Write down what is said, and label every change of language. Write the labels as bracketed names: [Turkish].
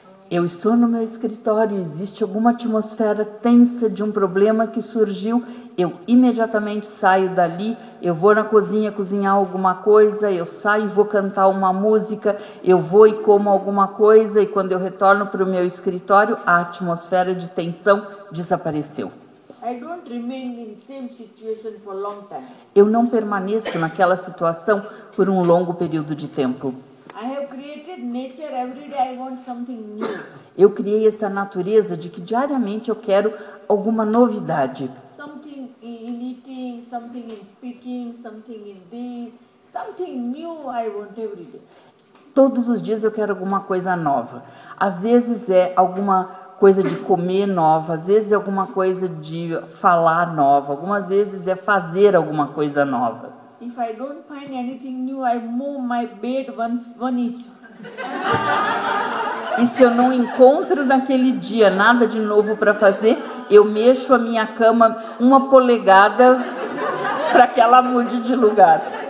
[Portuguese] Eu estou no meu escritório e existe alguma atmosfera tensa de um problema que surgiu. Eu imediatamente saio dali, eu vou na cozinha cozinhar alguma coisa, eu saio e vou cantar uma música, eu vou e como alguma coisa e quando eu retorno para o meu escritório, a atmosfera de tensão desapareceu. [English] I don't remain in same situation for long time. [Portuguese] Eu não permaneço naquela situação por um longo período de tempo. [English] I have created nature every day. I want something new. [Portuguese] Eu criei essa natureza de que diariamente eu quero alguma novidade. [English] Something in eating, something in speaking, something in this, something new I want every day. [Portuguese] Todos os dias eu quero alguma coisa nova. Às vezes é alguma coisa de comer nova, às vezes é alguma coisa de falar nova, algumas vezes é fazer alguma coisa nova. [English] If I don't find anything new, I move my bed one inch. [Portuguese] E se eu não encontro naquele dia nada de novo para fazer, eu mexo a minha cama uma polegada para que ela mude de lugar.